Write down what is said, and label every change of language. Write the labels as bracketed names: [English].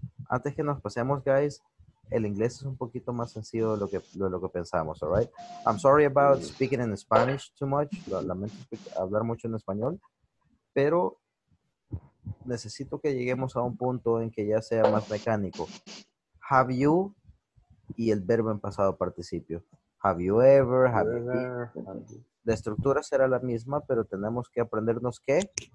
[Spanish] Antes que nos pasemos, guys, el inglés es un poquito más sencillo de lo que pensamos, [English] all right? I'm sorry about speaking in Spanish too much. [Spanish] Lamento hablar mucho en español. Pero necesito que lleguemos a un punto en que ya sea más mecánico. [English] Have you... [Spanish] Y el verbo en pasado participio. [English] Have you ever, have you been. [Spanish] La estructura será la misma, pero tenemos que aprendernos qué.